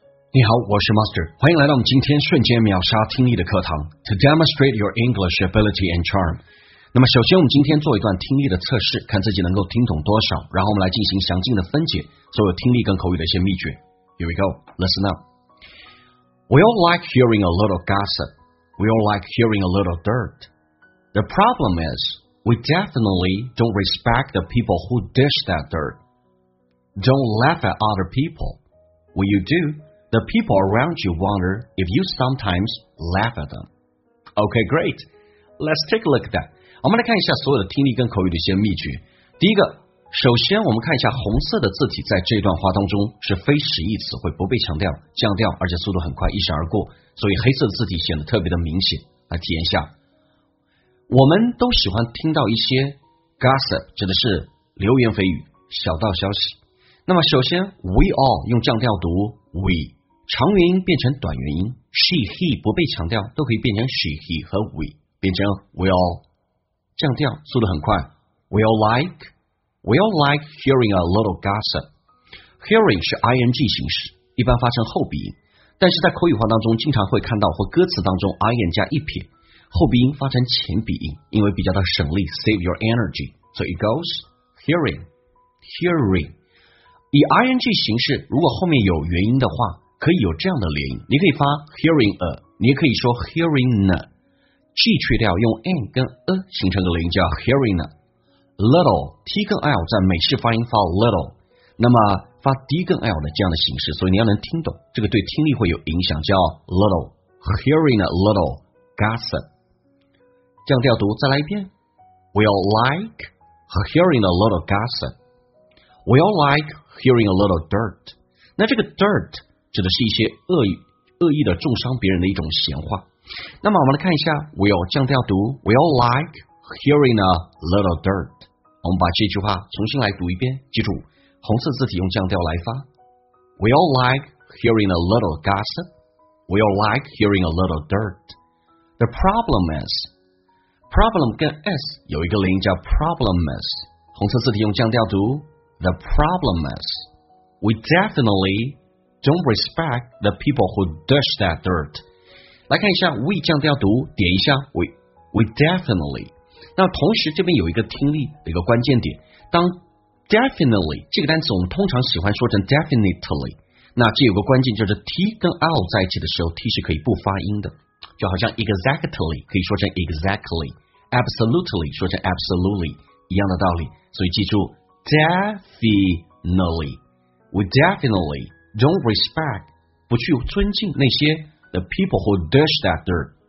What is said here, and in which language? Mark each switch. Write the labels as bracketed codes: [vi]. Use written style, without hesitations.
[zh] 你好，我是 Master， 欢迎来到我们今天瞬间秒杀听力的课堂 [en] To demonstrate your English ability and charm。 [zh] 那么首先我们今天做一段听力的测试，看自己能够听懂多少，然后我们来进行详尽的分解所有听力跟口语的一些秘诀。 [en] Here we go, listen up. We all like hearing a little gossip. We all like hearing a little dirt. The problem is, we definitely don't respect the people who dish that dirt. Don't laugh at other people. When you doThe people around you wonder if you sometimes laugh at them. Okay, great. Let's take a look at that. [zh] 我们来看一下所有的听力跟口语的一些秘诀。第一个，首先我们看一下红色的字体在这段话当中是非实义词汇，不被强调，降调，而且速度很快，一闪而过，所以黑色的字体显得特别的明显。来体验一下。我们都喜欢听到一些 gossip， 指的是流言蜚语、小道消息。那么首先 [en] we all 用降调读 we， 长元音变成短元音， she he 不被强调都可以变成 she he 和 we， 变成 we all， 降调速度很快， we all like hearing a little gossip。 [zh] hearing 是 ing 形式，一般发生后鼻音，但是在口语化当中经常会看到或歌词当中 ing 加一撇，后鼻音发成前鼻音，因为比较的省力， [en] save your energy， so it goes hearing [zh] 以 ing 形式，如果后面有元音的话，可以有这样的连音，你可以发 hearing a， 你也可以说 hearing a， g 去掉，用 n 跟 a 形成的连音叫 hearing a。 little t 跟 l 在美式发音发 little， 那么发 d 跟 l 的这样的形式，所以你要能听懂，这个对听力会有影响，叫 little， [en] hearing a little gossip， [zh] 这样调读，再来一遍， [en] we all like hearing a little gossip。 We all like hearing a little dirt. [zh] 那这个 dirt 指的是一些恶意的重伤别人的一种闲话。那么我们来看一下 will 降调读 ， [en] We all like hearing a little dirt. [zh] 我们把这句话重新来读一遍，记住红色字体用降调来发。 [en] We all like hearing a little gossip. We all like hearing a little dirt. The problem is, [zh] problem 跟 s 有一个连音叫 problems， 红色字体用降调读。 [en] The problem is, we definitely don't respect the people who dish that dirt. [zh] 来看一下 we 降调读，点一下 we definitely. 那同时这边有一个听力的一个关键点，当 definitely 这个单词我们通常喜欢说成 definitely， 那这有个关键就是 t 跟 l 在一起的时候 t 是可以不发音的，就好像 exactly 可以说成 exactly， absolutely 说成 absolutely 一样的道理，所以记住 [en] Definitely, we definitely don't respect, [zh] 不去尊敬那些 [en] the people who dish that dirt.